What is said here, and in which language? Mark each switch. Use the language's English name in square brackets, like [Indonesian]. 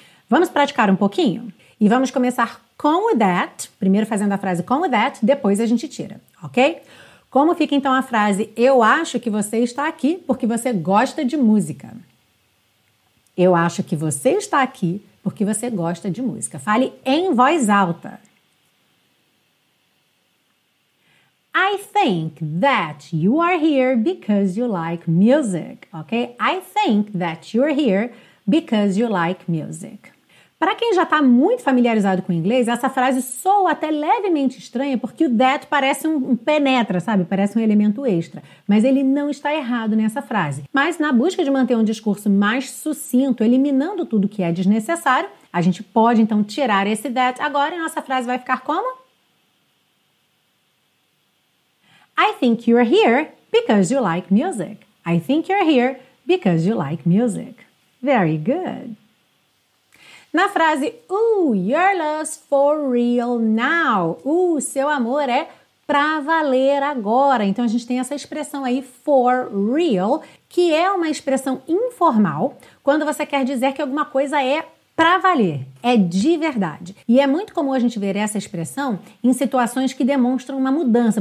[Portuguese] Vamos praticar um pouquinho? E vamos começar com o that, primeiro fazendo a frase com o that, depois a gente tira, ok? Como fica então a frase, eu acho que você está aqui porque você gosta de música? Eu acho que você está aqui porque você gosta de música. Fale em voz alta. [English] I think that you are here because you like music, ok? I think that you're here because you like music. [Portuguese] Para quem já está muito familiarizado com o inglês, essa frase soa até levemente estranha porque o that parece um penetra, sabe? Parece um elemento extra. Mas ele não está errado nessa frase. Mas na busca de manter um discurso mais sucinto, eliminando tudo que é desnecessário, A gente pode, então, tirar esse that agora e nossa frase vai ficar como? [English] I think you're here because you like music. I think you're here because you like music. Very good. [Portuguese] Na frase, [English] ooh, you're lost for real now. [Portuguese] Seu amor é pra valer agora. Então, a gente tem essa expressão aí, for real, que é uma expressão informal quando você quer dizer que alguma coisa é pra valer, é de verdade. E é muito comum a gente ver essa expressão em situações que demonstram uma mudança.